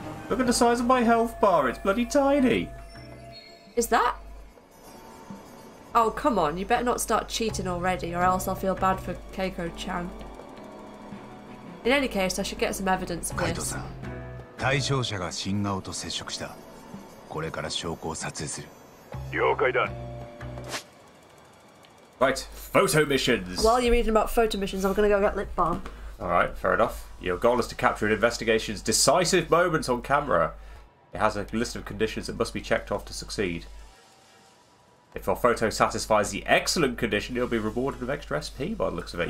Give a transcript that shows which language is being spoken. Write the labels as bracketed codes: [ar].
[en] Look at the size of my health bar, it's bloody tiny. Is that? Oh, come on, you better not start cheating already or else I'll feel bad for Keiko-chan. In any case, I should get some evidence for this. [ja] Kaito-san, 対象者が新顔と接触した。これから証拠を撮影する。了解だ。 [en] Right, photo missions! While you're reading about photo missions, I'm gonna go get lip balm. Alright, fair enough. Your goal is to capture an investigation's decisive moments on camera. It has a list of conditions that must be checked off to succeed. If your photo satisfies the excellent condition, you'll be rewarded with extra SP by the looks of it.